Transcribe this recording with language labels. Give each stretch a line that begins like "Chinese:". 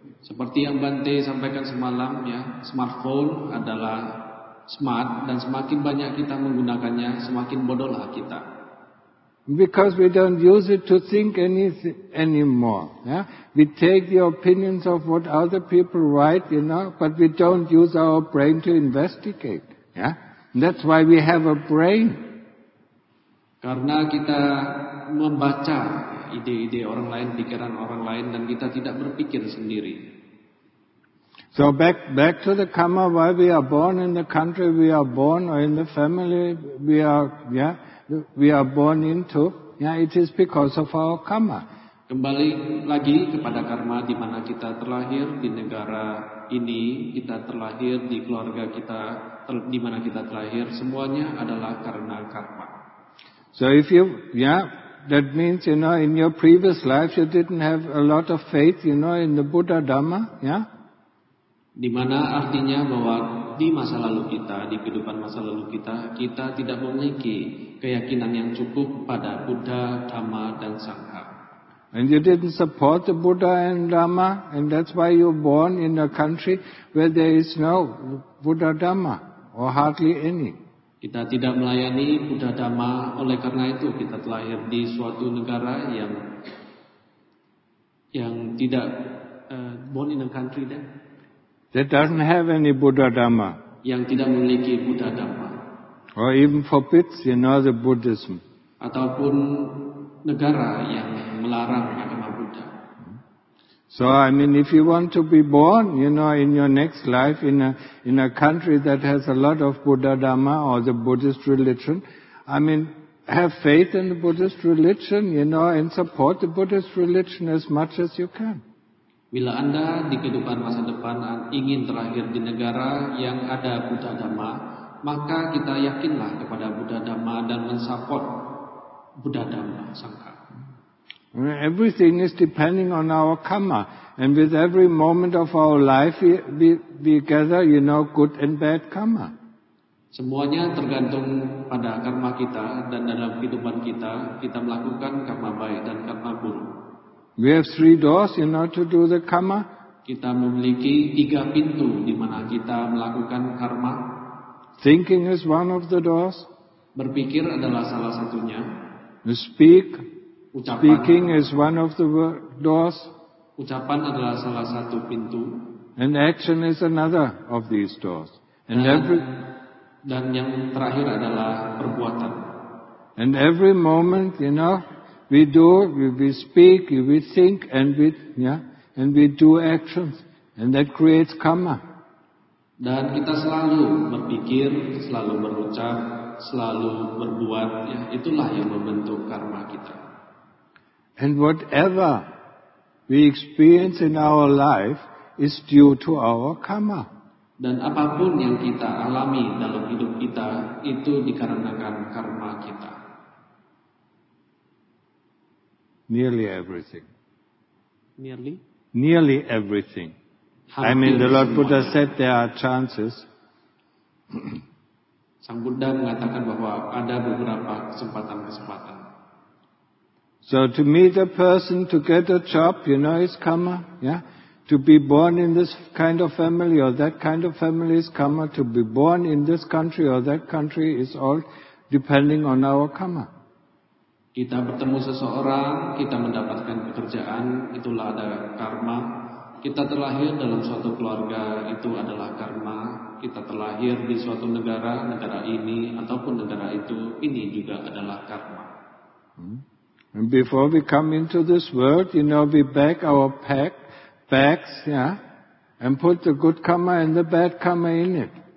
Indonesian: Seperti yang Bante sampaikan semalam, ya, smartphone adalah smart, dan semakin banyak kita menggunakannya, semakin bodohlah kita.
English: Because we don't use it to think anymore. Yeah? We take the opinions of what other people write, you know, but we don't use our brain to investigate. Yeah? That's why we have a brain.
Indonesian: Karena kita membaca ide-ide orang lain, pikiran orang lain, dan kita tidak berpikir sendiri.
English: So back to the karma, why we are born in the country we are born, or in the family we are born into, yeah, it is because of our karma.
Indonesian: Kembali lagi kepada karma, di mana kita terlahir, di negara ini kita terlahir, di keluarga kita di mana kita terlahir, semuanya adalah karena karma.
English: So if you, yeah, that means, you know, in your previous life you didn't have a lot of faith, you know, in the Buddha Dhamma, yeah?
Indonesian: Di mana artinya bahwa di masa lalu kita, di kehidupan masa lalu kita, kita tidak memiliki keyakinan yang cukup pada Buddha, Dhamma, dan Sangha.
English: And you didn't support the Buddha and Dhamma, and that's why you're born in a country where there is no Buddha Dhamma, or hardly any.
Indonesian: Kita tidak melayani Buddha Dhamma, oleh karena itu kita terlahir di suatu negara yang tidak
English: born in a country then. That doesn't have any Buddha Dhamma.
Indonesian: Yang tidak memiliki Buddha Dhamma.
English: Or even forbids, you know, the Buddhism.
Indonesian: Ataupun negara yang melarang agama Buddha.
English: So I mean, if you want to be born, you know, in your next life in a country that has a lot of Buddha Dhamma or the Buddhist religion, I mean, have faith in the Buddhist religion, you know, and support the Buddhist religion as much as you can.
Indonesian: Bila Anda di kehidupan masa depan ingin terakhir di negara yang ada Buddha Dhamma, maka kita yakinlah kepada Buddha Dhamma dan mensupport Buddha Dhamma Sangha.
English: Everything is depending on our karma, and with every moment of our life we gather, you know, good and bad karma.
Indonesian: Semuanya tergantung pada karma kita, dan dalam kehidupan kita kita melakukan karma baik dan karma buruk.
English: We have three doors, you know, to do the karma.
Indonesian: Kita memiliki tiga pintu di mana kita melakukan karma.
English: Thinking is one of the doors.
Indonesian: Berpikir adalah salah satunya.
English: Speaking is one of the doors.
Indonesian: Ucapan adalah salah satu pintu.
English: And action is another of these doors. And
Indonesian: dan yang terakhir adalah perbuatan.
English: And every moment, you know, we do, we speak, we think, and we do actions, and that creates karma.
Indonesian: Dan kita selalu berpikir, selalu berucap, selalu berbuat, ya, itulah yang membentuk karma kita.
English: And whatever we experience in our life is due to our karma.
Indonesian: Dan apapun yang kita alami dalam hidup kita itu dikarenakan karma kita.
English: Nearly everything. Nearly? Nearly everything. Hampir, I mean, the Lord Buddha said there are chances.
Indonesian: Sang Buddha mengatakan bahwa ada beberapa kesempatan-kesempatan.
English: So to meet a person, to get a job, you know, is karma. Yeah? To be born in this kind of family or that kind of family is karma. To be born in this country or that country is all depending on our karma.
Indonesian: Kita bertemu seseorang, kita mendapatkan pekerjaan, itulah ada karma. Kita terlahir dalam suatu keluarga, itu adalah karma. Kita terlahir di suatu negara, negara ini ataupun negara itu, ini juga adalah karma.
English: And before we come into this world, you know, we back our packs, yeah, and put the good karma and the bad karma in it.